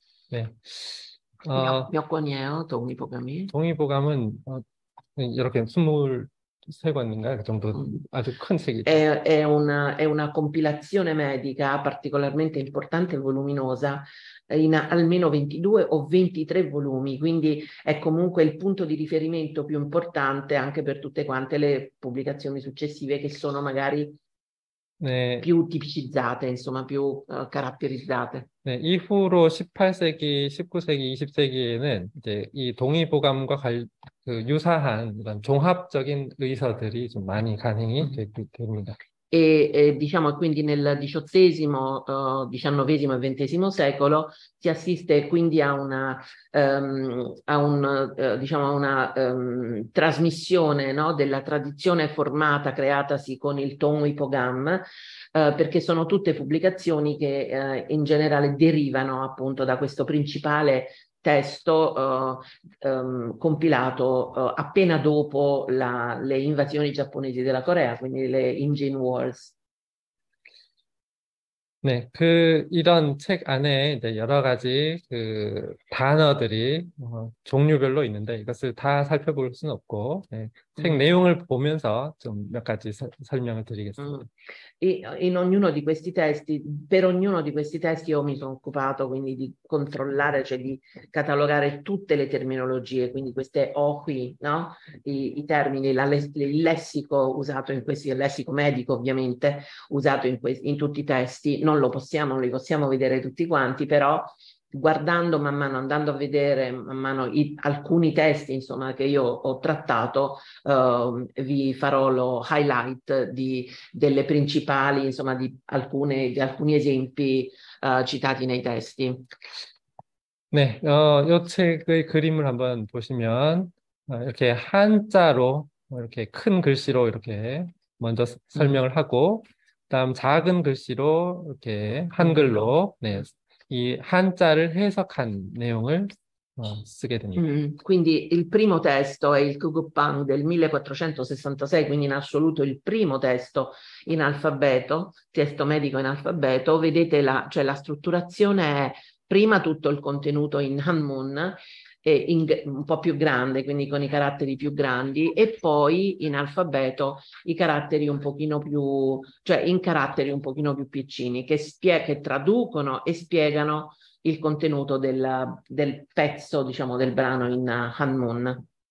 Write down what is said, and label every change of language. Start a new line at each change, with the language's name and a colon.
Korean: 네. Myokwanyeo, Tongyi Pogami. 동의보감은 이렇게 23권인가요? 그 정도 아주 큰 책이죠.
Italian: È una compilazione medica particolarmente importante e voluminosa in almeno 22 o 23 volumi, quindi è comunque il punto di riferimento più importante anche per tutte quante le pubblicazioni successive che sono magari
Korean: 네.
Italian: più tipicizzate, insomma, più caratterizzate.
Korean: 네, 이후로 18세기, 19세기, 20세기에는 이제 이 동의보감과 유사한 이런 종합적인 의서들이 좀 많이 간행이 됩니다.
Italian: E diciamo quindi nel XVIII, XIX e XX secolo si assiste quindi a una trasmissione, no, della tradizione formata, creatasi con il Tongyi Pogam, perché sono tutte pubblicazioni che in generale derivano appunto da questo principale testo compilato appena dopo le invasioni giapponesi della Corea, quindi le Imjin Wars.
Korean: 네, 이런 책 안에 이제 여러 가지 단어들이 종류별로 있는데 이것을 다 살펴볼 수는 없고, 네, 책 내용을 보면서 좀몇 가지 설명을 드리겠습니다.
Italian: In ognuno di questi testi, per ognuno di questi testi io mi sono occupato quindi di controllare, cioè di catalogare tutte le terminologie, quindi queste ohi, no? I termini, il lessico usato in questi, il lessico medico ovviamente usato in tutti i testi, non li possiamo vedere tutti quanti, però guardando man mano, andando a vedere man mano alcuni testi, insomma, che io ho trattato, vi farò lo highlight delle principali, insomma, di alcuni esempi, citati nei testi.
Korean: 네, 요 책의 그림을 한번 보시면, 이렇게 한자로, 이렇게 큰 글씨로 이렇게 먼저 설명을 하고, 그다음 작은 글씨로 이렇게 한글로, 네, 이 한자를 해석한 내용을 쓰게 됩니다.
Italian: Quindi il primo testo è il Kugupang del 1466, quindi in assoluto il primo testo in alfabeto, testo medico in alfabeto. Vedete cioè la strutturazione è prima tutto il contenuto in Hanmun, un po' più grande, quindi con i caratteri più grandi, e poi in alfabeto i caratteri un pochino più, cioè in caratteri un pochino più piccini, che traducono e spiegano il contenuto del pezzo, diciamo, del brano in Hanmun.